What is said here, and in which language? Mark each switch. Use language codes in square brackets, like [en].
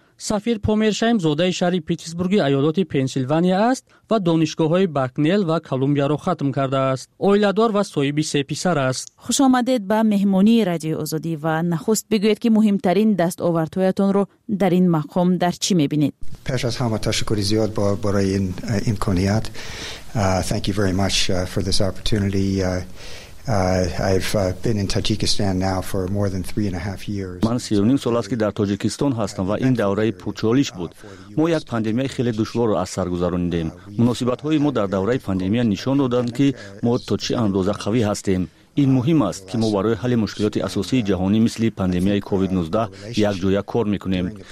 [fa] سفیر پومرشایم زاده شهر پیتسبورگ ایالات پنسیلوانیا است و دانشگاه‌های باکنل و کلمبیا را ختم کرده است. اویلادار و صاحب 3 پسر است. خوش آمدید به مهمانی رادیو آزادی و نخست بگویید که مهمترین دستاوردهایتون رو در این مقام در چی می‌بینید؟ پیش از همه تشکر زیاد برای این امکانیت. [en] Thank you very much for this opportunity. I've been in Tajikistan now for more than 3.5 years. [fa] من 3.5 سال است که در تاجیکستان هستم و این دوره پرچالش بود. ما یک پاندمی خیلی دشوار را از سر گذراندیم. مناسبت های ما در دوره پاندمی نشان دادند که ما تا چه اندازه قوی هستیم. این مهم است که ما برای حل مشکلات اساسی جهانی مثل پاندمی کووید 19 یک جایه کار میکنیم.